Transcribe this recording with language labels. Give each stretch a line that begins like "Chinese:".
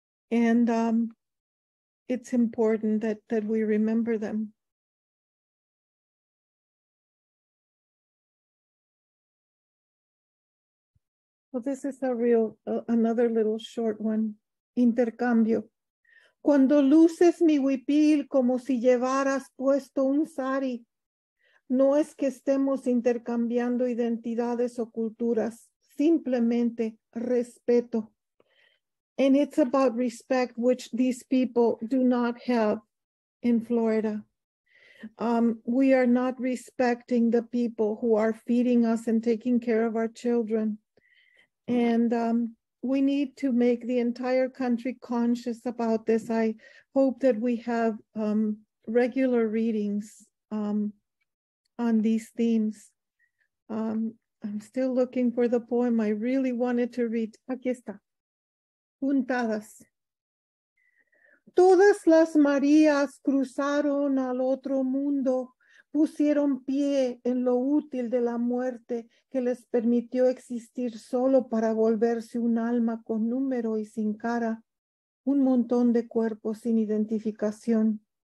English: And it's important that we remember them. Well, this is a real, another little short one.
Spanish: Intercambio. Cuando luces mi huipil como si llevaras puesto un sari, no es que estemos intercambiando identidades o culturas, simplemente respeto.
English: And it's about respect, which these people do not have in Florida. We are not respecting the people who are feeding us and taking care of our children. And we need to make the entire country conscious about this. I hope that we have regular readings on these themes. I'm still looking for the poem I really wanted to read.
Spanish: Aquí está. Juntadas. Todas las Marías cruzaron al otro mundo, pusieron pie en lo útil de la muerte que les permitió existir solo para volverse un alma con número y sin cara, un montón de cuerpos sin identificación.